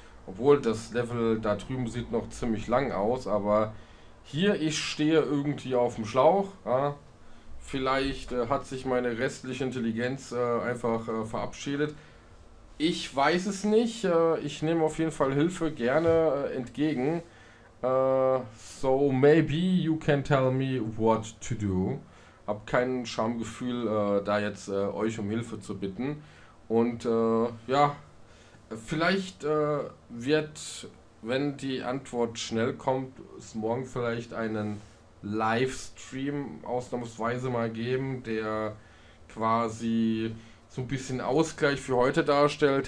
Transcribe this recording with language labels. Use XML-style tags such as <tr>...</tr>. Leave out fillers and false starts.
<de>Obwohl das Level da drüben sieht noch ziemlich lang aus, aber hier, ich stehe irgendwie auf dem Schlauch. Ja? Vielleicht hat sich meine restliche Intelligenz einfach verabschiedet. Ich weiß es nicht. Ich nehme auf jeden Fall Hilfe gerne entgegen.</de> <en>So maybe you can tell me what to do.</en> <de>Hab kein Schamgefühl, da jetzt euch um Hilfe zu bitten. Und ja, vielleicht wird, wenn die Antwort schnell kommt, es morgen vielleicht einen Livestream ausnahmsweise mal geben, der quasi so ein bisschen Ausgleich für heute darstellt.</de>